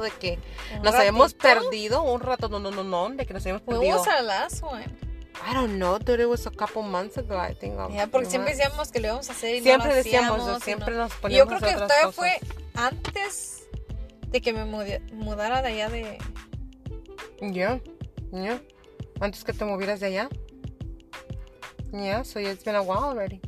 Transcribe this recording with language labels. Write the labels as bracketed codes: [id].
[es] De que nos habíamos perdido un rato, no, de que nos habíamos perdido. [en] When was our last one? I don't know, dude, it was a couple months ago, I think. [es] Yeah, porque siempre decíamos que lo íbamos a hacer y siempre no lo hacíamos. Siempre decíamos, siempre nos poníamos. Yo creo que todavía fue antes de que me mudara de allá de... [en] Yeah, [es] antes que te movieras de allá. [en] Yeah, so it's been a while already.